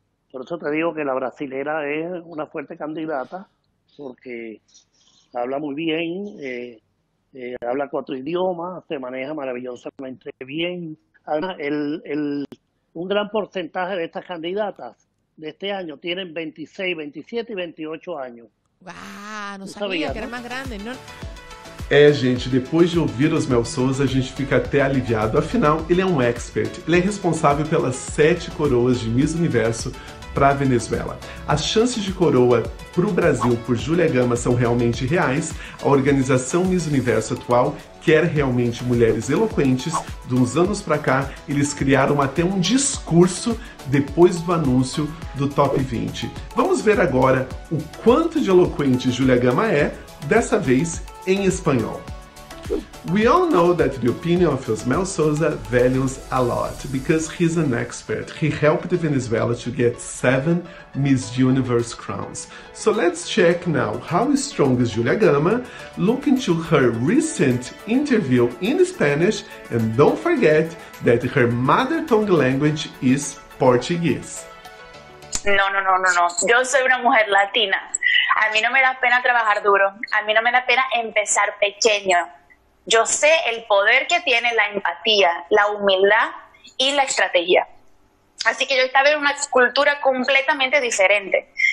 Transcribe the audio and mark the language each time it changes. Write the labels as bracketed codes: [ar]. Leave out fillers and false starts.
[es] Por eso te digo que la brasilera es una fuerte candidata, porque habla muy bien, habla cuatro idiomas, se maneja maravillosamente bien. Además, un gran porcentaje de estas candidatas de este año tienen 26, 27 y 28 años. ¡Guau! Wow, no sabía que era más grande, ¿no? [pt] É, gente, depois de ouvir os Mel Souza, a gente fica até aliviado. Afinal, ele é um expert. Ele é responsável pelas 7 coroas de Miss Universo para a Venezuela. As chances de coroa para o Brasil por Júlia Gama são realmente reais. A organização Miss Universo atual quer realmente mulheres eloquentes. De uns anos para cá, eles criaram até um discurso depois do anúncio do Top 20. Vamos ver agora o quanto de eloquente Júlia Gama é, dessa vez, em espanhol. [en] We all know that the opinion of Osmel Souza values a lot because he's an expert. He helped Venezuela to get 7 Miss Universe crowns. So let's check now how strong is Julia Gama. Look into her recent interview in Spanish and don't forget that her mother tongue language is Portuguese. [es] No. Yo soy una mujer latina. A mí no me da pena trabajar duro. A mí no me da pena empezar pequeño. Yo sé el poder que tiene la empatía, la humildad y la estrategia. Así que yo estaba en una cultura completamente diferente.